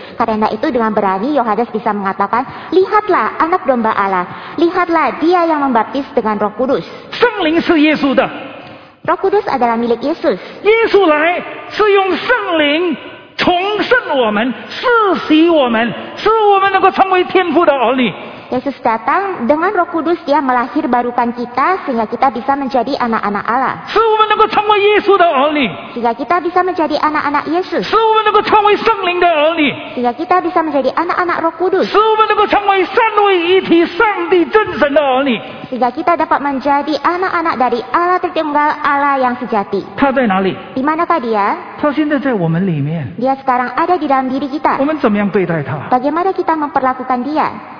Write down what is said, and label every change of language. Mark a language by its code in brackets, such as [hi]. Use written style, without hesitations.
[id] Karena itu dengan berani Yohanes bisa mengatakan, "Lihatlah anak domba Allah, lihatlah dia yang membaptis dengan Roh Kudus." [zh] 圣灵是耶稣的。 [id] Roh Kudus adalah milik Yesus. [zh] 耶稣来是用圣灵重生我们，赐洗我们，使我们能够成为天父的儿女。 [id] Yesus datang dengan Roh Kudus, dia melahirbarukan kita sehingga kita bisa menjadi anak-anak Allah. [zh] 能够成为耶稣的儿女, 使得 [id] kita bisa menjadi anak-anak Yesus, [zh] 使我们能够成为圣灵的儿女, 使得 [id] kita bisa menjadi anak-anak Roh Kudus, [zh] 使我们能够成为三位一体, 上帝真神的儿女, 使得 [id] kita dapat menjadi anak-anak dari Allah Tritunggal, Allah yang sejati. [zh] 他在哪里? [id] 咪manakah dia? [zh] 他现在在我们里面, [id] dia sekarang ada di dalam diri kita. [zh] 我们怎么样对待他? [id] Bagaimana kita memperlakukan dia?